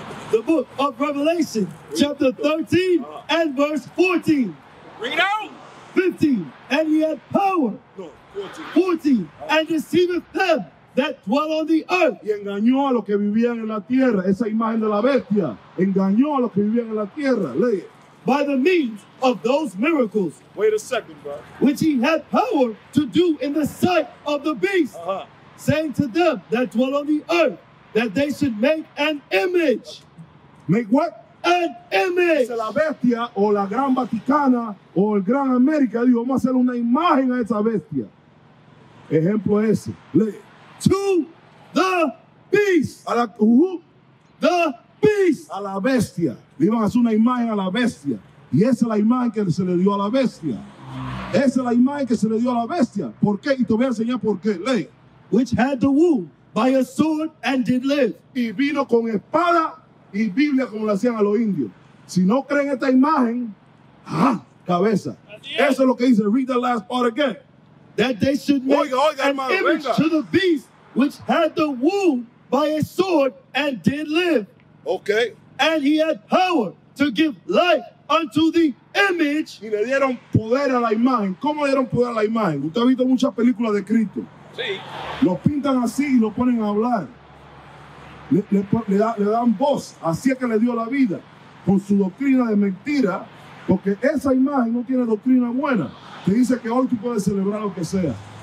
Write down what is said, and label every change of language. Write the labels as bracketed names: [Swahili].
[English] The book of Revelation, chapter 13, and verse 14. Read out. 15, and he had power. No, 14. Uh-huh. And deceived them that dwell on the earth. [Spanish] Y engañó a los que vivían en la tierra. Esa imagen de la bestia. Engañó a los que vivían en la tierra. Lee. [English] By the means of those miracles. Wait a second, bro. Which he had power to do in the sight of the beast. Uh-huh. Saying to them that dwell on the earth, that they should make an image. Make what? An image. [Spanish] Dice la bestia, o la gran Vaticana, o el gran América, dijo, vamos a hacer una imagen a esa bestia. Ejemplo ese. Lee. [English] To the beast. [Spanish] A la, [English] the beast. [Spanish] A la bestia. Le iban a hacer una imagen a la bestia. Y esa es la imagen que se le dio a la bestia. Esa es la imagen que se le dio a la bestia. ¿Por qué? Y te voy a enseñar por qué. Lee. Which had the womb by a sword and did live. Y vino con espada y Biblia como lo hacían a los indios. Si no creen esta imagen, cabeza. Eso es lo que dice. [English] Read the last part again. That they should make an image to the beast which had the womb by a sword and did live. Okay. And he had power to give life unto the image. [Spanish] Y le dieron poder a la imagen. ¿Cómo le dieron poder a la imagen? Usted ha visto muchas películas de Cristo. Sí. Lo pintan así y lo ponen a hablar. Le dan voz. Así es que le dio la vida. Con su doctrina de mentira. Porque esa imagen no tiene doctrina buena. Te dice que hoy tú puedes celebrar lo que sea.